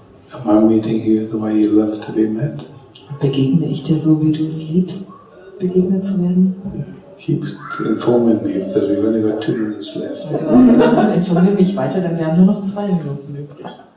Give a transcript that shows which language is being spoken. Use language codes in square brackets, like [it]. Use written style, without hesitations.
[en] Am I meeting you the way you love to be met? [de] Begegne ich dir so, wie du es liebst, begegnet zu werden? [en] Keep informing me, because we've only got 2 minutes left. [de] Informiere mich weiter, dann wären nur noch 2 Minuten übrig.